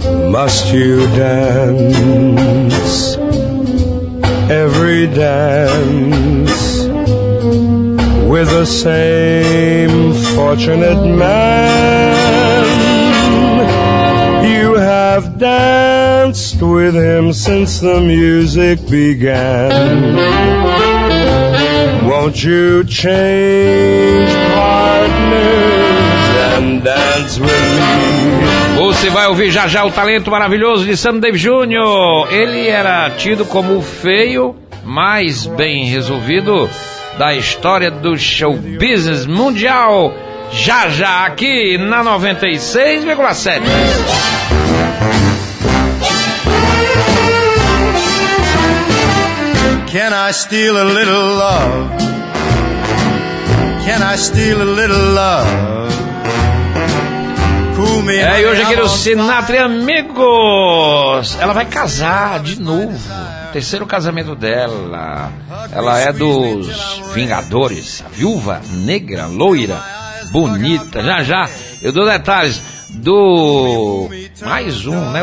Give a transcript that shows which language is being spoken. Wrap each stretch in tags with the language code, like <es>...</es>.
<en>Must you dance every dance with the same fortunate man? You have danced with him since the music began. Won't you change partners and dance with me?</en> <pt>Você vai ouvir já já o talento maravilhoso de Sam Davis Jr. Ele era tido como o feio mais bem resolvido da história do show business mundial, já já aqui na 96,7.</pt> <en>Can I steal a little love? Can I steal a little love?</en> <pt>É, e hoje aqui no Sinatra, amigos, ela vai casar de novo. Terceiro casamento dela. Ela é dos Vingadores, a viúva negra, loira, bonita. Já já eu dou detalhes do mais um, né?</pt>